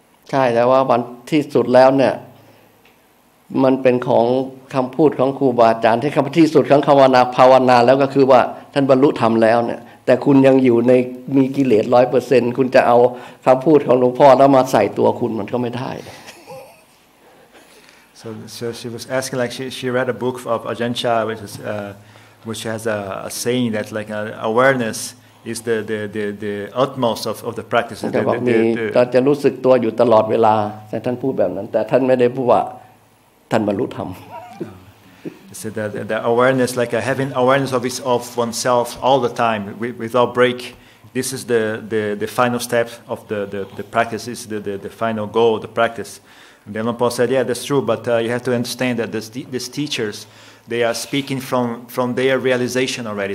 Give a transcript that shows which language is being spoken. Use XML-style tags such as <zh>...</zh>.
<th>ใช่แต่ว่าวันที่สุดแล้วเนี่ยมันเป็นของคำพูดของครูบาอาจารย์ที่คำที่สุดของคำว่านาภาวนาแล้วก็คือว่าท่านบรรลุธรรมแล้วเนี่ยแต่คุณยังอยู่ในมีกิเลส 100% คุณจะเอาคำพูดของหลวงพ่อแล้วมาใส่ตัวคุณมันก็ไม่ได้</th> <en>so she was asking like she read a book of Ajahn Chah which has a saying that like awarenessis the utmost of the practice that that that</en> <th>จะรู้สึกตัวอยู่ตลอดเวลาแต่ท่านพูดแบบนั้นแต่ท่านไม่ได้พูดว่าท่านบรรลุธรรม</th> <en>so the awareness like having awareness of oneself all the time without break this is the final step of the practice is the final goal of the practice and then Luang Por said yeah that's true but you have to understand that these teachersthey are speaking from their realization already.</en>